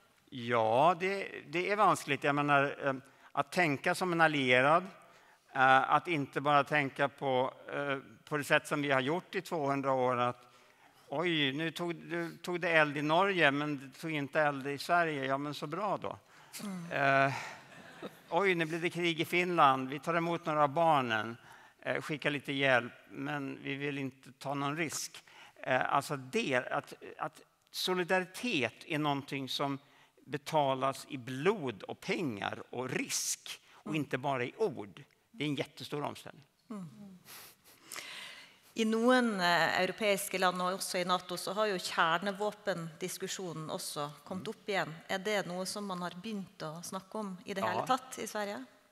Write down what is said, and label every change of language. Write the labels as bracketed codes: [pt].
[no] Ja, det er vanskelig. Jeg mener, [sv] att tänka som en allierad, att inte bara tänka på det sätt som vi har gjort i 200 år att oj, nu tog det eld i Norge, men det tog inte eld i Sverige. Ja, men så bra då. Oj, nu blir det krig i Finland. Vi tar emot några av barnen, skickar lite hjälp, men vi vill inte ta någon risk. Alltså det, att solidaritet är någonting som betalas i blod och pengar och risk, och inte bara i ord. Det är en jättestor omställning. Mm. [no] I noen europeiske land og også i NATO så har jo kjernevåpendiskusjonen også kommet opp igjen. Det noe som man har begynt å snakke om i det hele tatt i Sverige?